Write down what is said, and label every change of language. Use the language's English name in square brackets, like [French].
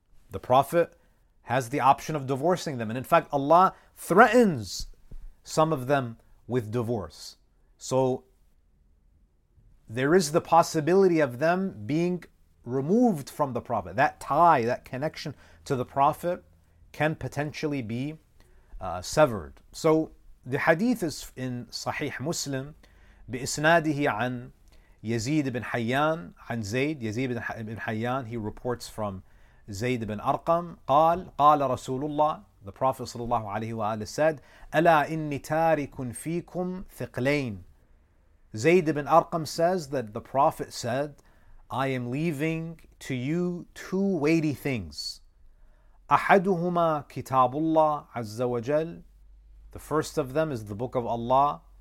[English] The Prophet has the option of divorcing them. And in fact, Allah threatens some of them with divorce. So there is the possibility of them being removed from the Prophet. That tie, that connection to the Prophet can potentially be severed. So the hadith is in Sahih Muslim, [Arabic] بِإِسْنَادِهِ عَنْ يَزِيدِ بِنْ حَيَّانِ عَنْ زَيْدِ يَزِيدِ بِنْ حَيَّانِ [English] He reports from Zayd ibn Arqam, [Arabic] قال رسول الله, [English] the Prophet [Arabic] صلى الله عليه وآله [English] said, [Arabic] أَلَا إِنِّي تَارِكٌ فِيكُمْ ثِقْلَيْنِ [English] Zayd ibn Arqam says that the Prophet said, I am leaving to you two weighty things. [Arabic] أَحَدُهُمَا كِتَابُ اللَّهِ عَزَّ وَجَلْ [English] The first of them is the Book of Allah.